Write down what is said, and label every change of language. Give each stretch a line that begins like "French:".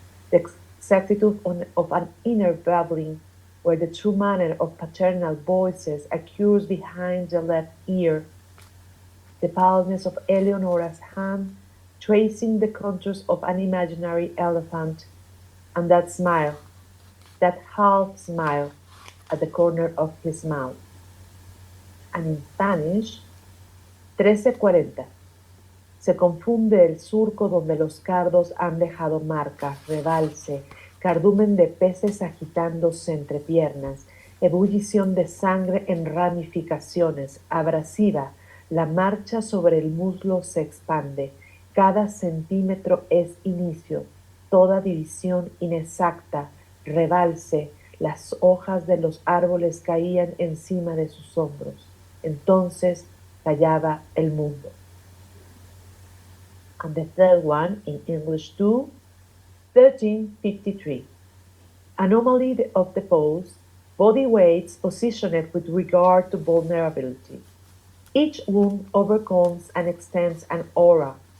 English: The exactitude of an inner babbling, where the true manner of paternal voices accrues behind the left ear. the paleness of Eleonora's hand, tracing the contours of an imaginary elephant, and that smile, that half smile at the corner of his mouth. And in Spanish, 1340.
Spanish: Se confunde el surco donde los cardos han dejado marcas, rebalse, cardumen de peces agitándose entre piernas, ebullición de sangre en ramificaciones, abrasiva, la marcha sobre el muslo se expande, cada centímetro es inicio, toda división inexacta, rebalse, las hojas de los árboles caían encima de sus hombros, entonces callaba el mundo.
English: And the third one in English too, 1353. Anomaly of the pose, body weights positioned with regard to vulnerability. Each wound overcomes and extends an aura.